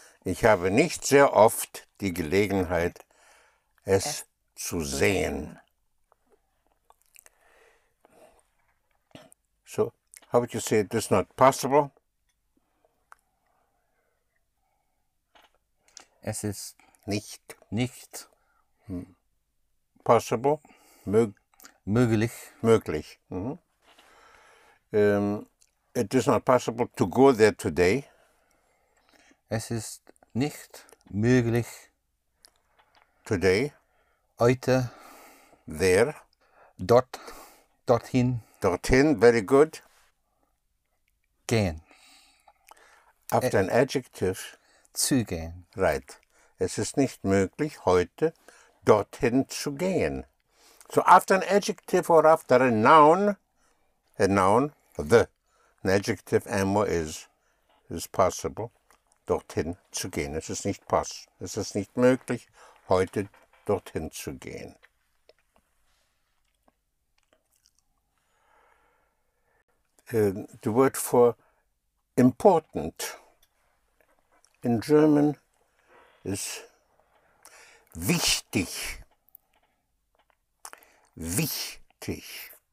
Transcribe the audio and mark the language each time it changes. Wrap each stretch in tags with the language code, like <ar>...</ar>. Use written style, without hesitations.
<de>Ich habe nicht sehr oft die Gelegenheit, es zu sehen.</de> <en>So, how would you say it is not possible?</en> <de>Es ist nicht</de> <en>possible.</en> <de>Möglich. Möglich. Mm-hmm.</de> <en>It is not possible to go there today.</en> <de>Es ist nicht möglich.</de> <en>Today.</en> <de>Heute.</de> <en>There.</en> <de>Dort. Dorthin. Dorthin,</de> <en>very good.</en> <de>Gehen.</de> <en>After an adjective.</en> <de>Zu gehen.</de> <en>Right.</en> <de>Es ist nicht möglich, heute dorthin zu gehen.</de> <en>So after an adjective or after a noun, the. An adjective, ammo, is possible.</en> <de>dorthin zu gehen. Es ist nicht pass. Es ist nicht möglich, heute dorthin zu gehen.</de> <en>The word for important in German is wichtig.</en> <de>Wichtig.</de>